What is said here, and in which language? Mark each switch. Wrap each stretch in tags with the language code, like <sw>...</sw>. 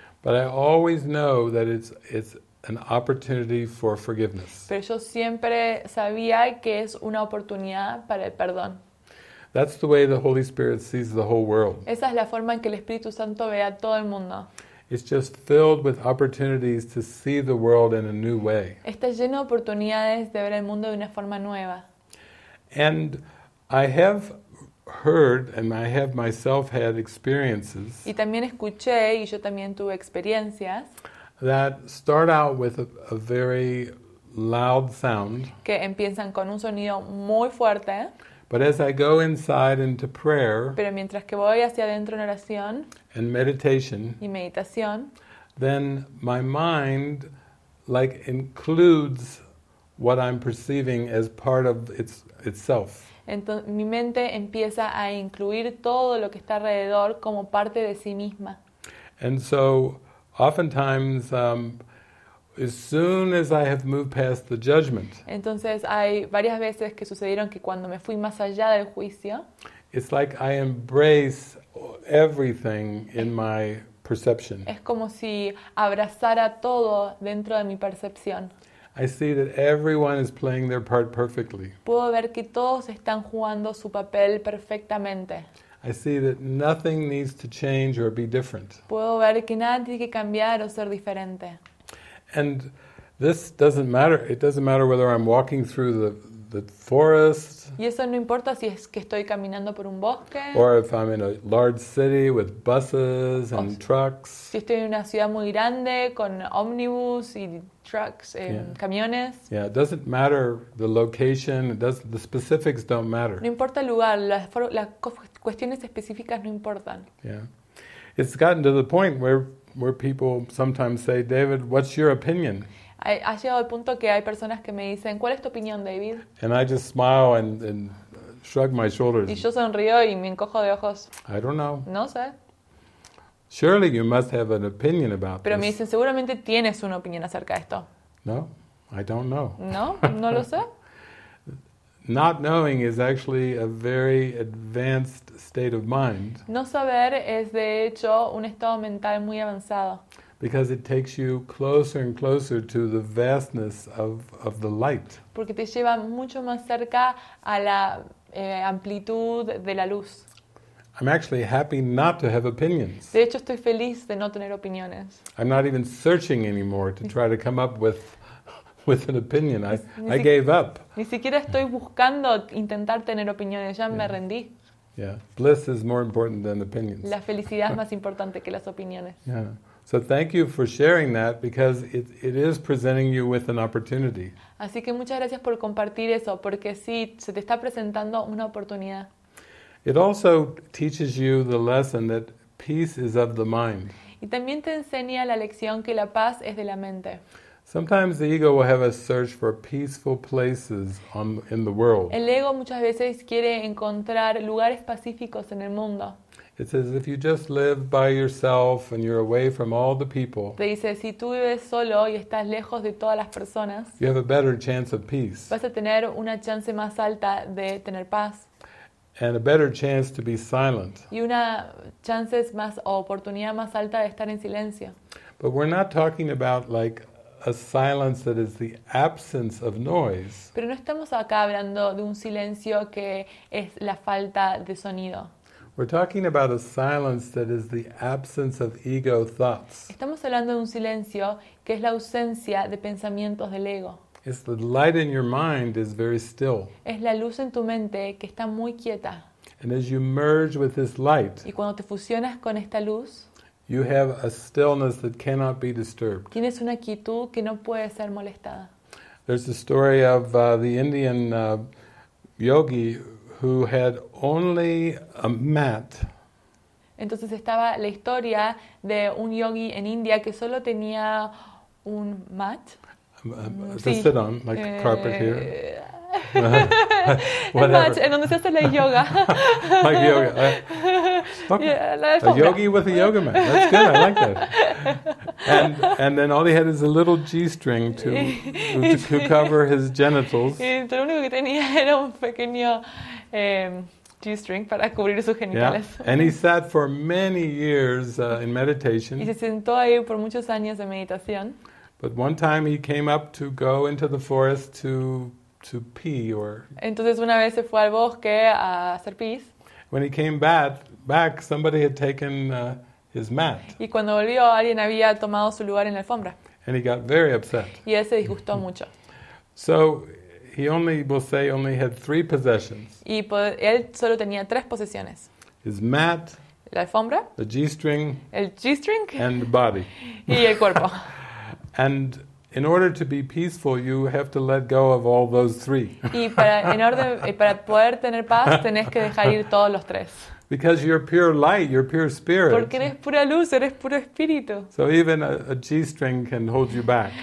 <en>But I always know that it's an opportunity for forgiveness.</en> <es>Pero yo siempre sabía que es una oportunidad para el perdón.</es> <en>That's the way the Holy Spirit sees the whole world.</en> <es>Esa es la forma en que el Espíritu Santo ve a todo el mundo.</es> <en>It's just filled with opportunities to see the world in a new way.</en> <es>Está lleno de oportunidades de ver el mundo de una forma nueva.</es> <en>And I have heard and I have myself had experiences.</en> <es>Y también escuché y yo también tuve experiencias.</es> <en>That start out with a very loud sound.</en> <es>Que empiezan con un sonido muy fuerte.</es> <en>But as I go inside into prayer.</en> <es>Pero mientras que voy hacia adentro en oración.</es> <en>And meditation.</en> <es>Y meditación.</es> <en>Then my mind like includes what I'm perceiving as part of itself.</en> <es>Entonces, mi mente empieza a incluir todo lo que está alrededor como parte de sí misma.</es> <en>And so, oftentimes, as soon as I have moved past the judgment.</en> <es>Entonces, hay varias veces que sucedieron que cuando me fui más allá del juicio.</es> <en>It's like I embrace everything in my perception.</en> <es>Es como si abrazara todo dentro de mi percepción.</es> <en>I see that everyone is playing their part perfectly.</en> <es>Puedo ver que todos están jugando su papel perfectamente.</es> <en>I see that nothing needs to change or be different.</en> <es>Puedo ver que nada tiene que cambiar o ser diferente.</es> <en>And this doesn't matter. It doesn't matter whether I'm walking through the forest.</en> <es>Y eso no importa si es que estoy caminando por un bosque.</es> <en>Or if I'm in a large city with buses and trucks.</en> <es>Si estoy en una ciudad muy grande con ómnibus y trucks, camiones.</es> <en>Yeah, it doesn't matter the location. The specifics don't matter.</en> <es>No importa el lugar. Las cuestiones específicas no importan.</es> <en>Yeah, it's gotten to the point where people sometimes say, David, what's your opinion?</en> <es>Ha llegado al punto que hay personas que me dicen, ¿cuál es tu opinión, David?</es> <en>And I just smile and shrug my shoulders.</en> <es>Y yo sonrío y me encojo de ojos.</es> <en>I don't know.</en> <es>No sé.</es> <en>Surely you must have an opinion about</en> <es>Pero Pero me dicen, seguramente tienes una opinión acerca de esto.</es> <en>No, I don't know.</en> <es>No, no lo sé.</es> <en>Not knowing is actually a very advanced state of mind.</en> <es>No saber es de hecho un estado mental muy avanzado.</es> <en>Because it takes you closer and closer to the vastness of the light.</en> <es>Porque te lleva mucho más cerca a la amplitud de la luz.</es> <en>I'm actually happy not to have opinions.</en> <es>De hecho, estoy feliz de no tener opiniones.</es> <en>I'm not even searching anymore to try to come up with an opinion. I gave up.</en> <es>Ni siquiera estoy buscando intentar tener opiniones. Ya me rendí.</es> <en>Yeah, bliss is more important than opinions.</en> <es>La felicidad es más importante que las opiniones.</es> <en>Yeah. So thank you for sharing that because it is presenting you with an opportunity.</en> <es>Así que muchas gracias por compartir eso porque sí se te está presentando una oportunidad.</es> <en>It also teaches you the lesson that peace is of the mind.</en> <es>Y también te enseña la lección que la paz es de la mente.</es> <en>Sometimes the ego will have a search for peaceful places in the world.</en> <es>El ego muchas veces quiere encontrar lugares pacíficos en el mundo.</es> <en>It says if you just live by yourself and you're away from all the people.</en> <es>Te dice si tú vives solo y estás lejos de todas las personas.</es> <en>You have a better chance of peace.</en> <es>Vas a tener una chance más alta de tener paz.</es> <en>And a better chance to be silent.</en> <es>Y una chance más o oportunidad más alta de estar en silencio.</es> <en>But we're not talking about like a silence that is the absence of noise.</en> <es>Pero no estamos acá hablando de un silencio que es la falta de sonido.</es> <en>We're talking about a silence that is the absence of ego thoughts.</en> <es>Estamos hablando de un silencio que es la ausencia de pensamientos del ego.</es> <en>It's the light in your mind is very still.</en> <es>Es la luz en tu mente que está muy quieta.</es> <en>And as you merge with this light,</en> <es>y cuando te fusionas con esta luz,</es> <en>you have a stillness that cannot be disturbed.</en> <es>Tienes una quietud que no puede ser molestada.</es> <en>There's a story of the Indian yogi who had only a mat.</en> <es>Entonces estaba la historia de un yogi en India que solo tenía un mat.</es> <en>To sit on, like the carpet here. Whatever.</en> <es>Mat, en donde se hace la yoga.</es> <en>Like yoga. Okay. A yogi with a yoga mat. That's good, I like that. And then all he had is a little G-string to cover his genitals.</en> <es>Lo único que tenía era un pequeño... G-string para cubrir sus genitales.</es> <en>Yeah. And he sat for many years in meditation.</en> <es>Y se sentó ahí por muchos años de meditación.</es> <en>But one time he came up to go into the forest to pee or.</en> <es>Entonces una vez se fue al bosque a hacer pis.</es> <en>When he came back, somebody had taken his mat.</en> <es>Y cuando volvió alguien había tomado su lugar en la alfombra.</es> <en>And he got very upset.</en> <es>Y él se disgustó mucho.</es> <en>So. He only will say only had three possessions.</en> <es>Y él solo tenía tres posesiones.</es> <en>His mat,</en> <es>la alfombra,</es> <en>the G-string,</en> <es>el G-string,</es> <en>and the body.</en> <es>Y el cuerpo.</es> <en>And in order to be peaceful, you have to let go of all those three.</en> <es>Y para poder tener paz, tenés que dejar ir todos los tres.</es> <en>Because you're pure light, you're pure spirit.</en> <es>Porque eres pura luz, eres puro espíritu.</es> <en>So even a G-string can hold you back.</en>